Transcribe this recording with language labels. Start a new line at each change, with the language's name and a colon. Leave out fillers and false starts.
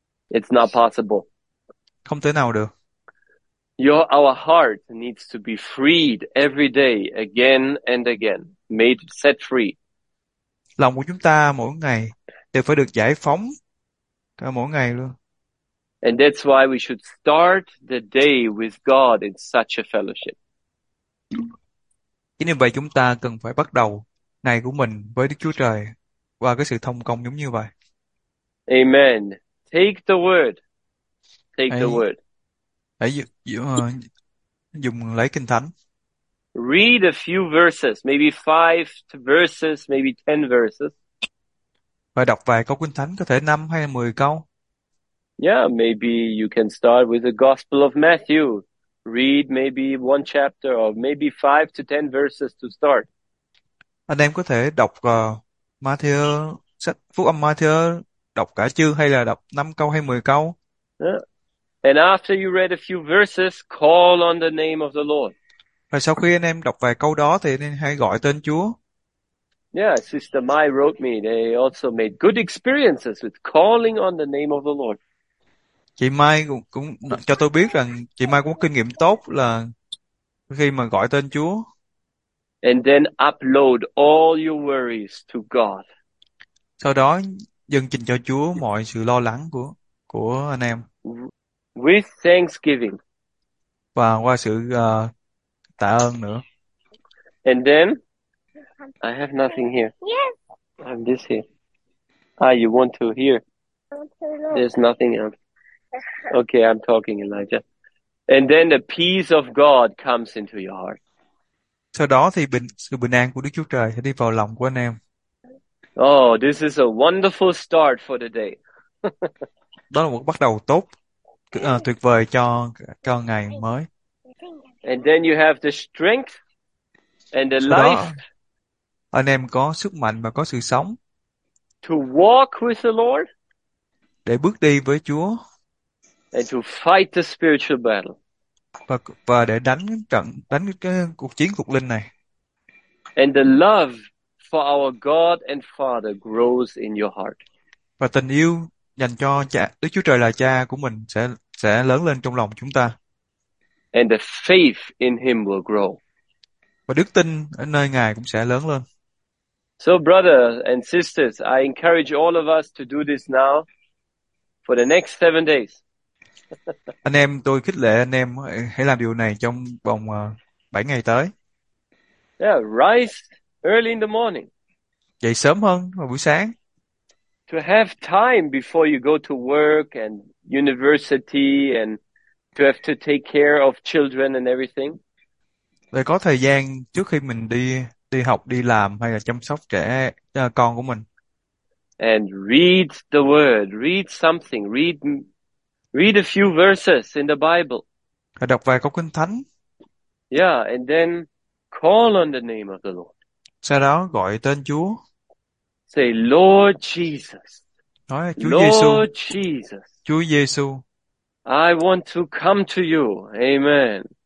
English: It's not possible.
Vietnamese: Không thể nào được.
English: Our heart needs to be freed every day, again and again, made set free.
Vietnamese: Lòng của chúng ta mỗi ngày đều phải được giải phóng cả mỗi ngày luôn.
English: And that's why we should start the day with God in such a fellowship.
Vietnamese: Nên vậy chúng ta cần phải bắt đầu ngày của mình với Đức Chúa Trời qua cái sự thông công giống như vậy.
English: Amen. Take the word. Take the
Vietnamese: Hãy
English: word.
Vietnamese: dùng lấy Kinh Thánh.
English: Read a few verses, maybe 5 verses, maybe 10 verses.
Vietnamese: Và đọc vài câu Kinh Thánh, có thể 5 hay 10 câu.
English: Yeah, maybe you can start with the Gospel of Matthew. Read maybe one chapter or maybe 5 to 10 verses to start.
Vietnamese: Anh em có thể đọc Matthew, sách Phúc âm Matthew, đọc cả chương hay là đọc 5 câu hay 10 câu.
English: And after you read a few verses, call on the name of the Lord.
Vietnamese: Và sau khi anh em đọc vài câu đó thì nên hãy gọi tên Chúa.
English: Yeah, Sister Mai wrote me. They also made good experiences with calling on the name of the Lord.
Vietnamese: Chị Mai cũng cho tôi biết rằng chị Mai cũng có kinh nghiệm tốt là khi mà gọi tên Chúa.
English: Then upload all your worries to God.
Vietnamese: Sau đó dâng trình cho Chúa mọi sự lo lắng của anh em.
English: With thanksgiving.
Vietnamese: Và qua sự tạ ơn nữa.
English: And then I have nothing here. I have this here. You want to hear? There's nothing else. Okay, I'm talking, Elijah. And then the peace of God comes into your heart.
Vietnamese: Sau đó thì sự bình an của Đức Chúa Trời sẽ đi vào lòng của anh em.
English: Oh, this is a wonderful start for the day.
Vietnamese: Đó là một bắt đầu tốt, tuyệt vời cho ngày mới.
English: And then you have the strength and the
Vietnamese: Sau đó
English: life
Vietnamese: anh em có sức mạnh và có sự sống
English: to walk with the Lord
Vietnamese: để bước đi với Chúa
English: and to fight the spiritual battle.
Vietnamese: và để đánh cái cuộc chiến phục linh này.
English: And the love for our God and Father grows in your heart.
Vietnamese: Và tình yêu dành cho cha, Đức Chúa Trời là cha của mình sẽ lớn lên trong lòng chúng ta.
English: And the faith in him will grow.
Vietnamese: Và đức tin ở nơi Ngài cũng sẽ lớn lên.
English: So, brothers and sisters, I encourage all of us to do this now for the next 7 days.
Vietnamese: Anh em, tôi khích lệ anh em hãy làm điều này trong vòng 7 ngày tới.
English: Rise early in the morning
Vietnamese: Dậy sớm hơn vào buổi sáng.
English: to have time before you go to work and university and to have to take care of children and everything.
Vietnamese: Để có thời gian trước khi mình đi đi học, đi làm hay là chăm sóc trẻ con của mình.
English: And read the word, read something, read a few verses in the Bible.
Vietnamese: Và đọc vài câu kinh thánh.
English: And then call on the name of the Lord.
Vietnamese: Sau đó gọi tên Chúa.
English: Say, Lord Jesus,
Vietnamese: Nói là Chúa Giêsu.
English: Lord Jesus,
Vietnamese: Chúa Giêsu.
English: I want to come to you. Amen.